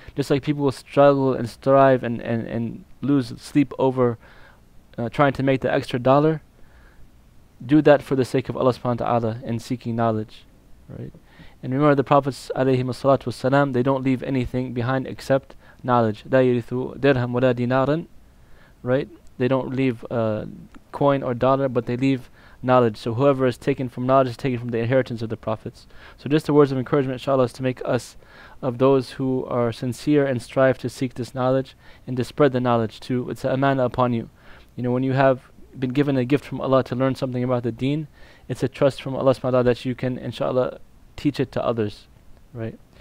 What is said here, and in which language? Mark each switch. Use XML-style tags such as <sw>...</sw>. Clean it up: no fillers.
<en>Just like people will struggle and strive and lose sleep over trying to make the extra dollar. Do that for the sake of Allah subhanahu wa ta'ala and seeking knowledge. Right? And remember the Prophets alayhi salatu wasalam, they don't leave anything behind except knowledge.</en> <ar>لا يرثوا درهم ولا دينارن,</ar> <en>right? They don't leave a coin or dollar, but they leave knowledge. So whoever is taken from knowledge is taken from the inheritance of the prophets. So just the words of encouragement, inshallah, is to make us of those who are sincere and strive to seek this knowledge and to spread the knowledge too. It's an amanah upon you. You know, when you have been given a gift from Allah to learn something about the deen, it's a trust from Allah subhanahu wa ta'ala that you can, inshallah, teach it to others, right?</en>